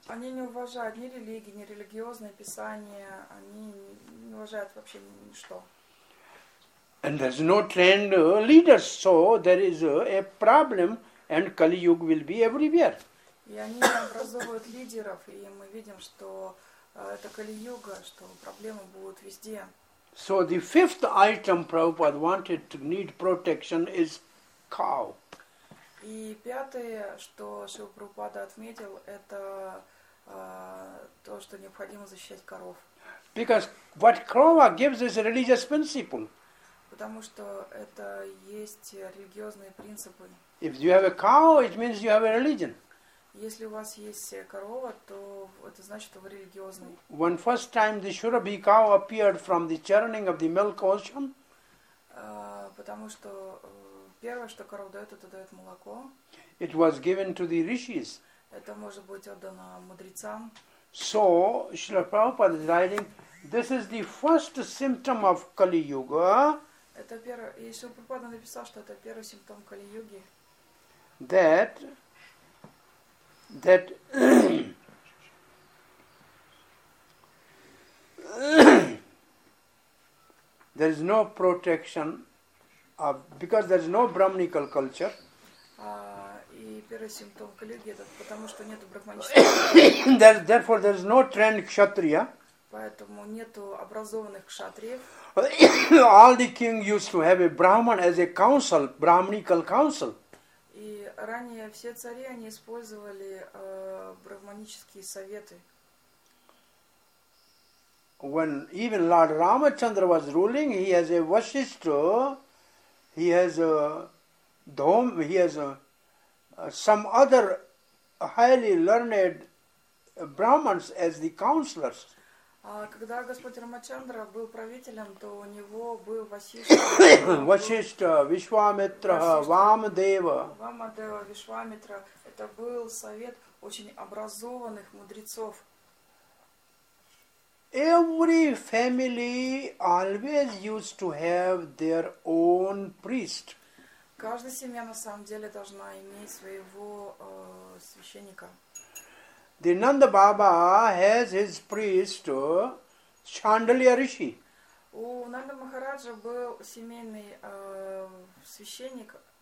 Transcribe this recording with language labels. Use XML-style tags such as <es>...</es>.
<ru>Они не уважают ни религии, ни религиозные писания, они не уважают вообще ничто.</ru> <en>And there's no trained leaders, so there is a problem, and Kali Yuga will be everywhere.</en> <ru>И они образовывают лидеров, и мы видим, что это Кали Юга, что проблемы будут везде.</ru> <en>So the fifth item Prabhupada wanted to need protection is cow.</en> <ru>И пятое, что Шрила Прабхупада отметил, это то, что необходимо защищать коров.</ru> <en>Because what krova gives is a religious principle.</en> <ru>Потому что это есть религиозные принципы.</ru> <en>If you have a cow, it means you have a religion.</en> <ru>Если у вас есть корова, то это значит, что вы религиозный.</ru> <en>When first time the Shurabhi cow appeared from the churning of the milk ocean.</en> <ru>Потому что первое, что корова дает, это дает молоко.</ru> <en>It was given to the rishis.</en> <ru>Это может быть отдано мудрецам.</ru> <en>So, Srila Prabhupada is writing, this is the first symptom of Kali Yuga.</en> <ru>Это первое, и Шрила Прабхупада написал, что это первый симптом Кали Юги.</ru> <en>That there is no protection of, because there is no Brahmanical culture.</en> <ru>И первый симптом Кали Юги это потому что нету брахманического.</ru> <en>Therefore there is no trained kshatriya.</en> <ru>Поэтому нету образованных кшатриев.</ru> <en>All the king used to have a Brahman as a council, Brahmanical council.</en> <ru>И ранее все цари, они использовали брахманические советы.</ru> <en>When even Lord Ramachandra was ruling, he has a Vashishtha, he has a Dhom, he has a, some other highly learned Brahmins as the counselors.</en> <ru>Когда Господь Рамачандра был правителем, то у него был Васишта. Васишта, Вишвамитра, Вамадева. Вамадева, Вишвамитра. Это был совет очень образованных мудрецов.</ru> <en>Every family always used to have their own priest.</en> <ru>Каждая семья на самом деле должна иметь своего священника.</ru> <en>The Nanda Baba has his priest, Chandaliya Rishi.</en> <ru>У Нанда Махараджа был семейный священник.</ru>